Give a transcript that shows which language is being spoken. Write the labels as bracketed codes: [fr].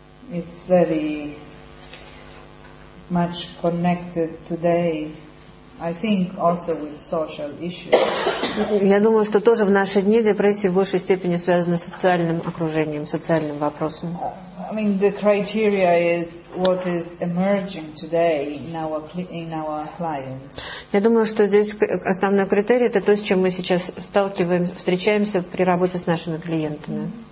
[en] It's very much connected today, I think, also with social issues. [ru] Я думаю, что тоже в наши дни депрессия в большей степени связана с социальным окружением, социальным вопросом. [en] I mean, the criteria is what is emerging today in our clients. [ru] Я думаю, что здесь основной критерий — это то, с чем мы сейчас сталкиваемся, встречаемся при работе с нашими клиентами.